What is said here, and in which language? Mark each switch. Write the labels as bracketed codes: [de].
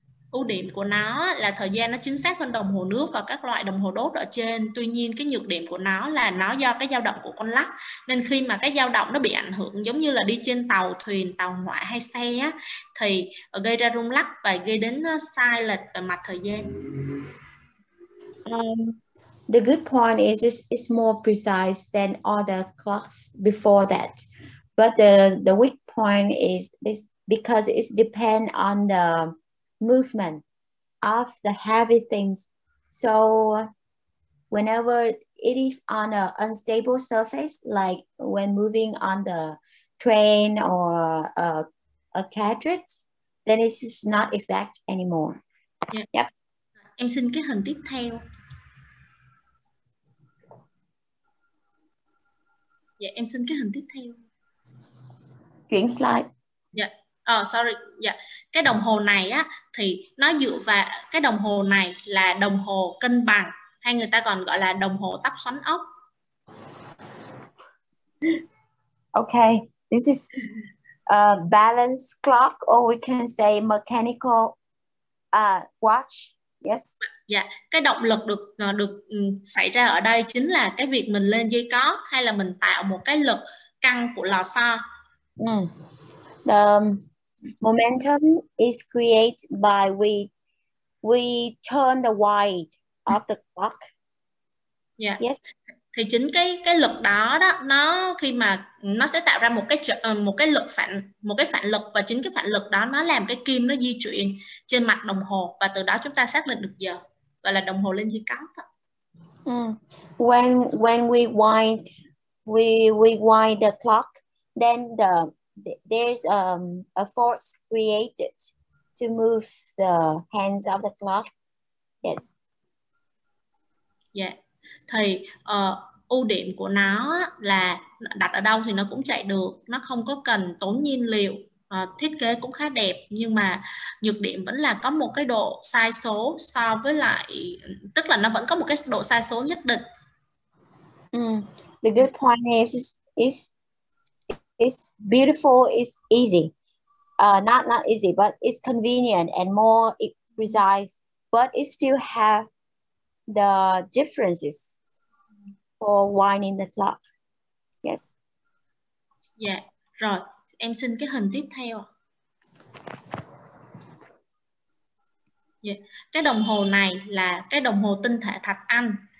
[vi] Ưu điểm của nó là thời gian nó chính xác hơn đồng hồ nước và các loại đồng hồ đốt ở trên. Tuy nhiên cái nhược điểm của nó là nó do cái dao động của con lắc, nên khi mà cái dao động nó bị ảnh hưởng giống như là đi trên tàu thuyền, tàu hỏa hay xe á, thì gây ra rung lắc và gây đến sai lệch về mặt thời gian. [en] The good point is it's more precise than other clocks before that. But the weak point is this, because it depends on the movement of the heavy things. So whenever it is on an unstable surface, like when moving on the train or a carriage, then it's just not exact anymore. Yeah. Yep. [vi] Em xin cái hình tiếp theo. Dạ, em xin cái hình tiếp theo. Chuyển slide. Dạ, Cái đồng hồ này á thì nó dựa vào, cái đồng hồ này là đồng hồ cân bằng, hay người ta còn gọi là đồng hồ tóc xoắn ốc. [en] Okay, this is a balance clock, or we can say mechanical watch. Yes. [vi] Dạ, cái động lực được được xảy ra ở đây chính là cái việc mình lên dây có hay là mình tạo một cái lực căng của lò xo. [en] The momentum is created by we turn the wire of the clock. Yeah. Yes. [vi] Thì chính cái lực đó đó, nó khi mà nó sẽ tạo ra một cái phản lực, và chính cái phản lực đó nó làm cái kim nó di chuyển trên mặt đồng hồ, và từ đó chúng ta xác định được giờ, gọi là đồng hồ lên dây cóng. [en] When we wind the clock, then there's a force created to move the hands of the clock. Yes. Yeah. [vi] Thì ưu điểm của nó là đặt ở đâu thì nó cũng chạy được, nó không có cần tốn nhiên liệu, thiết kế cũng khá đẹp, nhưng mà nhược điểm vẫn là có một cái độ sai số so với lại, tức là nó vẫn có một cái độ sai số nhất định. [en] The good point is beautiful, is easy, not easy, but it's convenient and more precise, but it still have the differences for winding the clock. Yes. Yeah. [vi] Rồi, em xin cái hình tiếp theo. Yeah. Cái đồng hồ này là cái đồng hồ tinh thể thạch anh.